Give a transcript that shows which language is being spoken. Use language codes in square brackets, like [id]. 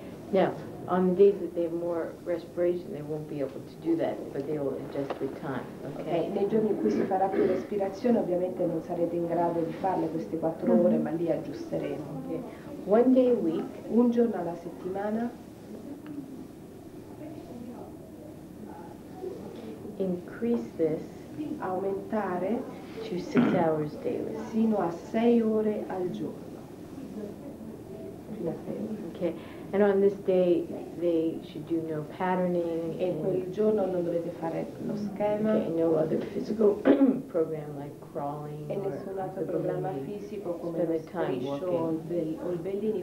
[en] Now, on the days that they have more respiration, they won't be able to do that, but they will adjust the time. Okay. [it] Nei giorni in cui si farà più respirazione, ovviamente non sarete in grado di farle queste 4 ore, ma li aggiusteremo. [en] Okay. One day a week, [it] un giorno alla settimana. [en] Increase this, [it] aumentare [en] to 6 hours daily, [it] sino a 6 ore al giorno. [en] Okay, and on this day they should do no patterning. [it] E quel giorno non dovete fare lo schema. [en] Okay, no other physical program like crawling. [it] E nessun altro programma fisico come lo striscio o il bellini.